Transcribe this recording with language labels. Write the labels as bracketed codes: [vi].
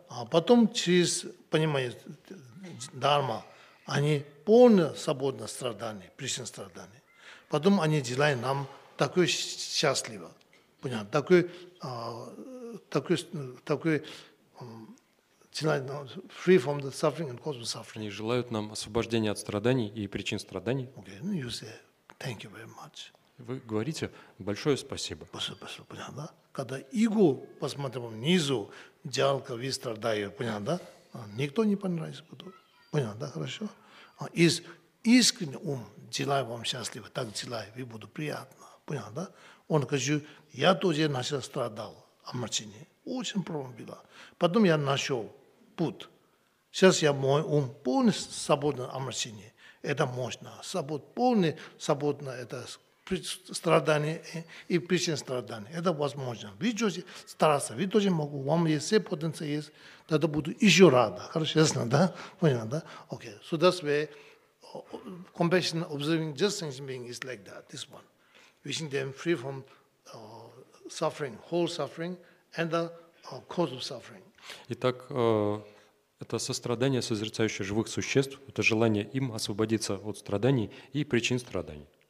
[ru] А потом через понимание дхарма они полно свободно страдания, причин страдания. Потом они делают нам такой счастливый, понял, такой, [en] free from the suffering and cause of suffering. [ru] Они желают нам освобождения от страданий и причин страданий. [en] Okay, and you say thank you very much. [ru] Вы говорите большое спасибо. Спасибо, понял, да? Когда эго посмотрел внизу, жалко, вы страдаете, понял, да? Никто не понравится будет, понял, да, хорошо? Из искренний ум желаю вам счастливо, так желаю, вы буду приятно. Понял, да? Он говорит, я тоже начал страдал омрачение. Очень проблема была. Потом я нашел путь. Сейчас я мой ум полностью свободен омрачение. Это мощно. Полностью свободно это страдание и причин страдания. Это возможно. Вы тоже стараться, вы тоже могу. У вас есть все потенциалы есть. Тогда буду еще рада. Хорошо, ясно, да? Понял, да? Окей. [en] So that's where compassion observing just sentient being is like that, this one. Wishing them free from suffering, whole suffering, and the cause of suffering. [ru] Итак, это сострадание созерцающих живых существ, это желание им освободиться от страданий и причин страданий.